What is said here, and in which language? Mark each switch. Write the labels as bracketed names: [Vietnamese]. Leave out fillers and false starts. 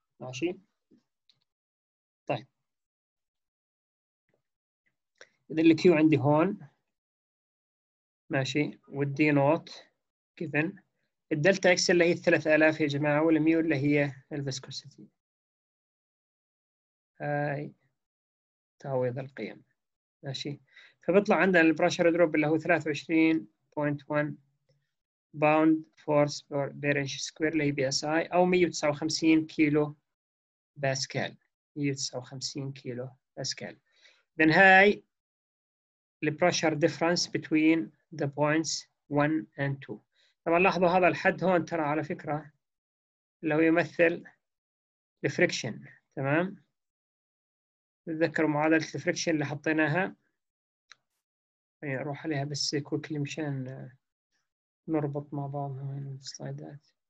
[Arabic] ماشي طيب، اذا الكيو عندي هون ماشي، والدي نوت كيفن الدلتا اكس اللي هي 3000 يا جماعه، والميو اللي هي الفيسكوسيتي، هاي تعويض القيم. ماشي، فبيطلع عندنا البريشر دروب اللي هو 23.1 [English] bound force per inch square [Arabic] اللي هي PSI، أو 159 كيلو باسكال، 159 كيلو باسكال. [English] then [Arabic] هاي [English] the pressure difference between the points 1 and 2. [Arabic] طبعا لاحظوا هذا الحد هون ترى على فكرة اللي هو يمثل [English] the friction. [Arabic] تمام، تذكروا معادلة [English] the friction [Arabic] اللي حطيناها، روح عليها بس [English] quickly [Arabic] مشان نربط مع بعض هاي السلايدات.